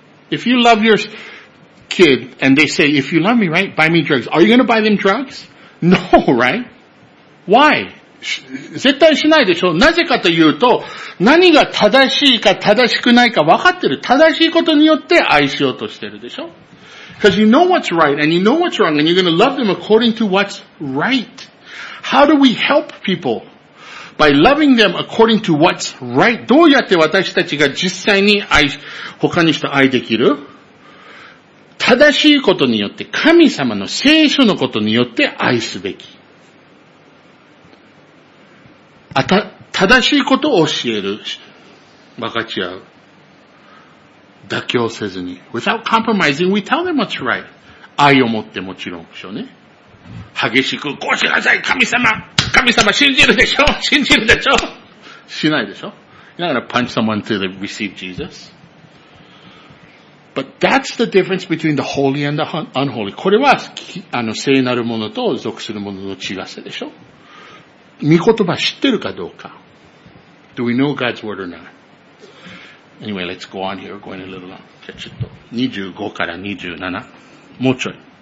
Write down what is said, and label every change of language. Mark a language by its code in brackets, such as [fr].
[en] If you love your kid and they say, if you love me, right, buy me drugs. Are you going to buy them drugs? No, right? Why? [ja] 絶対しないでしょ。なぜかというと、何が正しいか正しくないか分かってる。正しいことによって愛しようとしてるでしょ。 [en] Because you know what's right and you know what's wrong and you're going to love them according to what's right. How do we help people? By loving them according to what's right. [ja] どうやって私たちが実際に愛、他の人愛できる? 正しいことによって、神様の聖書のことによって愛すべき。正しいことを教える。分かち合う。妥協せずに。 [en] Without compromising, we tell them what's right. [ja] 愛を持ってもちろんでしょうね。激しく、こうしなさい、神様、信じるでしょ、しないでしょ。 [en] You're not gonna punch someone till they receive Jesus. But that's the difference between the holy and the unholy. [ja] これは、聖なるものと属するものの違いでしょ。御言葉知ってるかどうか。 [en] Do we know God's word or not? Anyway, let's go on here, going a little long. [ja] じゃあちょっと、25から27。もうちょい。